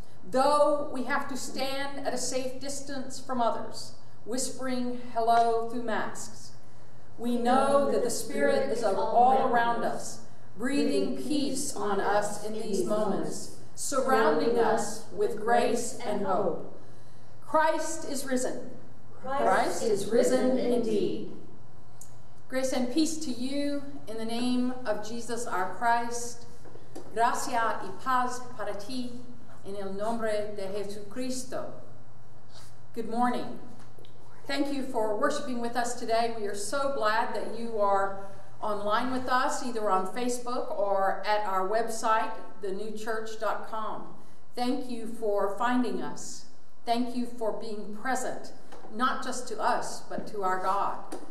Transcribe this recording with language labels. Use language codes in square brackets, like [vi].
[en] Though we have to stand at a safe distance from others, whispering hello through masks, we know that the Spirit is all around us, breathing peace on us in these moments, surrounding us with grace and hope. Christ is risen. Christ is risen indeed. Grace and peace to you in the name of Jesus our Christ. [es] Gracia y paz para ti en el nombre de Jesucristo. [en] Good morning. Thank you for worshiping with us today. We are so glad that you are online with us, either on Facebook or at our website, thenewchurch.com. Thank you for finding us. Thank you for being present, not just to us, but to our God.